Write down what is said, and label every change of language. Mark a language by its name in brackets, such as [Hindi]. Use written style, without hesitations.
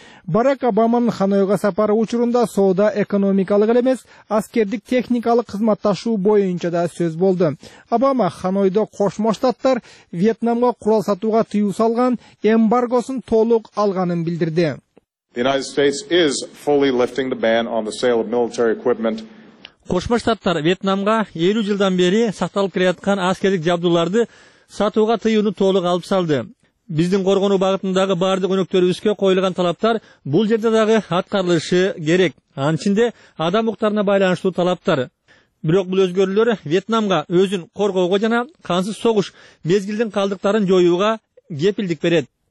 [Kyrgyz] Барак Обаманын Ханойга сапары учурунда соода экономикалык эле эмес, аскердик техникалык кызматташуу боюнча да сөз болду. Обама Ханойдо Кошмо Штаттар Вьетнамга курал сатууга тыюу салган эмбаргосун толук алганын билдирди. [English] The United States is fully lifting the ban on the sale of military equipment. [Kyrgyz] Кошмо Штаттар Вьетнамга 50 жылдан бери сакталып келаткан аскердик жабдууларды сатууга тыюуну толук алып салды. Биздин коргонуу багытындагы баардык өнөктөрүбүзгө коюлган талаптар бул жерде дагы аткарылышы керек. Анын ичинде адам укуктарына байланыштуу талаптар. Бирок бул өзгөрүүлөр Вьетнамга өзүн коргоого жана кансыз согуш мезгилдин калдыктарын жоюуга кепилдик берет.